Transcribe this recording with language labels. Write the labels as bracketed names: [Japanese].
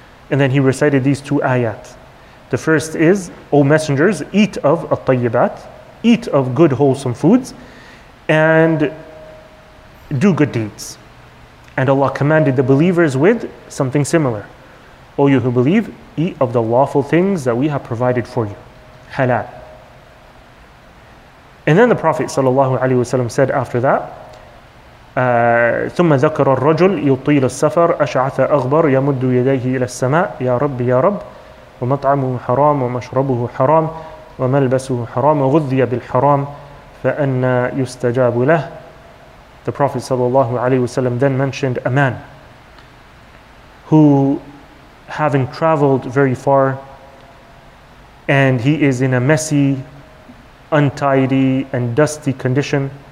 [English] And then he recited these two ayat. The first is, "O messengers, eat of at-tayyibat, eat of good wholesome foods, and do good deeds." And Allah commanded the believers with something similar. "O you who believe, eat of the lawful things that we have provided for you, halal." And then the Prophet ﷺ said after that, [Arabic] ثم ذكر الرجل يطيل السفر أشعث أغبر يمد يديه إلى السماء يا رب يا رب ومطعمه حرام ومشربه حرام وملبسه حرام وغذي بالحرام فأنى يستجاب له. [English] The Prophet [Arabic] صلى الله عليه وسلم [English] then mentioned a man who, having traveled very far, and he is in a messy, untidy, and dusty condition.